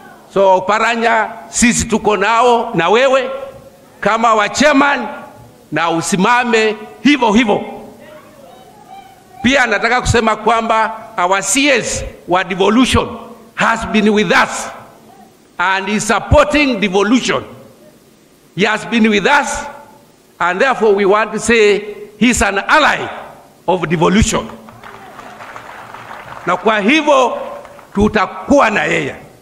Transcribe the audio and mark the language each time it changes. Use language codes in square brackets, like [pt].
[sw] So Oparanya, sisi tuko nao na wewe kama wa chairman, na usimame hivo hivo. Pia nataka kusema kwamba [en] our CS wa devolution has been with us and is supporting devolution. He has been with us, and therefore we want to say he's an ally of devolution. [sw] Na kwa hivyo tutakuwa na yeye.